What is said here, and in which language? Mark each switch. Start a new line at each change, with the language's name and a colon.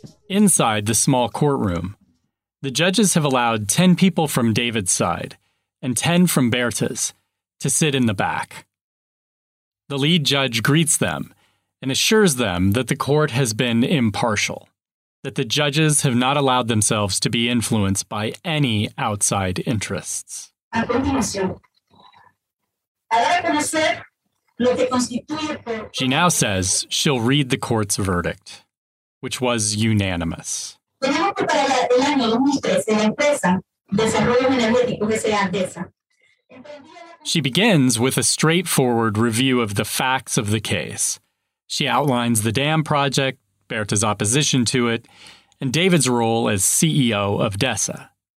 English: Inside the small courtroom, the judges have allowed 10 people from David's side and 10 from Berta's to sit in the back. The lead judge greets them and assures them that the court has been impartial, that the judges have not allowed themselves to be influenced by any outside interests.
Spanish: A continuación, a dar a conocer lo que constituye por...
English: She now says she'll read the court's verdict, which was unanimous.
Spanish: Tenemos que para el año 2013, la empresa Desarrollo Energético, que sea Andesa.
English: She begins with a straightforward review of the facts of the case. She outlines the dam project, Berta's opposition to it, and David's role as CEO of DESA.